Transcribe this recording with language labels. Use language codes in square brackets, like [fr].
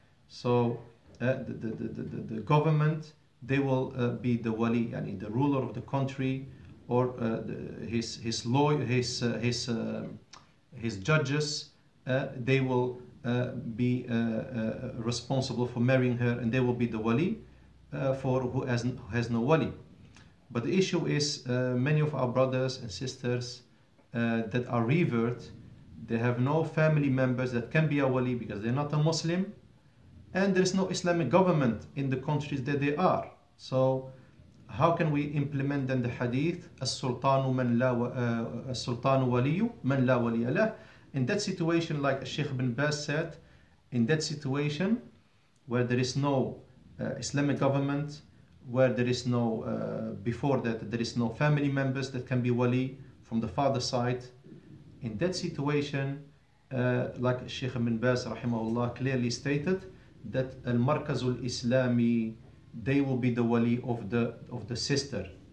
[en] So the government, they will be the wali, yani the ruler of the country, or his lawyer, his judges, they will be responsible for marrying her, and they will be the wali for who has no wali. But the issue is many of our brothers and sisters that are revert, they have no family members that can be a wali because they're not a Muslim, and there is no Islamic government in the countries that they are. So How can we implement in the hadith [ar] السلطان ولي من لا ولي له? [en] In that situation, like Sheikh bin Baz said, in that situation where there is no Islamic government, where there is no, before that, there is no family members that can be wali from the father's side. In that situation, like Sheikh bin Baz rahimahullah clearly stated, that al-markaz al-islami, they will be the wali of the sister.